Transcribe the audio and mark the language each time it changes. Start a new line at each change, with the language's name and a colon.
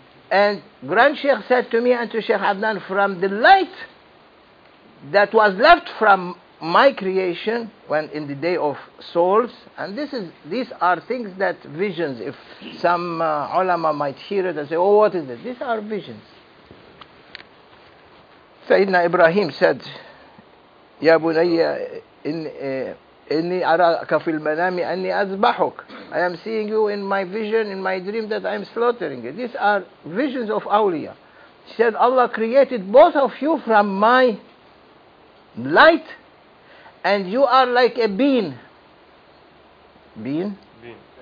English: And Grand Sheikh said to me and to Sheikh Adnan, from the light that was left from my creation when in the day of souls, and these are things that visions, if some ulama might hear it and say, oh, what is this? These are visions. Sayyidina Ibrahim said,
Arabic: Ya Bunayya, إني أراك في المنام أني أذبحك.
English: I am seeing you in my vision, in my dream, that I am slaughtering you. These are visions of awliya. He said, Allah created both of you from my light, and you are like a bean. Bean? Bean.